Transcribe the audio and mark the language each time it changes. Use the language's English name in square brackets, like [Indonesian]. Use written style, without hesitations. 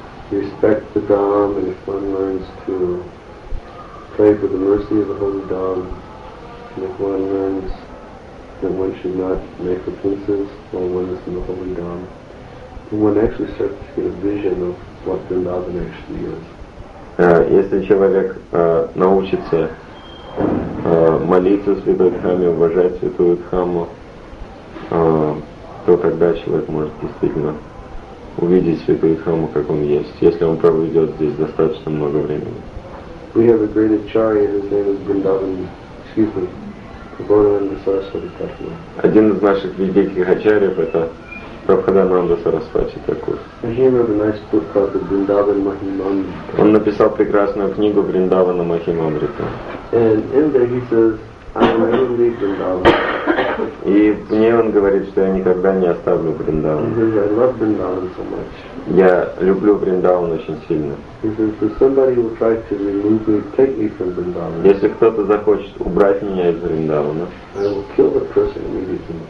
[English] respect the Dham, and if one learns to pray for the mercy of the Holy Dham, and if one learns that one should not make offenses while one is in the Holy Dham, then one actually starts to get a vision of what Vrindavan actually is. [Russian] Если человек научится молиться в Святой Дхамме, уважать Святую Дхамму, то тогда человек может действительно увидеть Святую Дхамму, как он есть, если он проведет здесь достаточно много времени. [English] We have a great acharya, his name is Vrindavan, Prabhadananda Sarasvati Thakura. [Russian] Один из наших великих ачарьев — это Прабхадананда Сарасвати Такур. [English] And he wrote a nice book called the Vrindavan Mahimamrita. [Russian] Он написал прекрасную книгу Вриндавана Махимамрита. [English] And in there he says, I will never leave Vrindavan. [Russian] И мне он говорит, что я никогда не оставлю Вриндаван. [English] He says, I love Vrindavan so much. [Russian] Я люблю Вриндаван очень сильно. [English] He says, if somebody will try to remove me, take me from Vrindavan. [Russian] Если кто-то захочет убрать меня из Вриндавана, [English] I will kill the person immediately.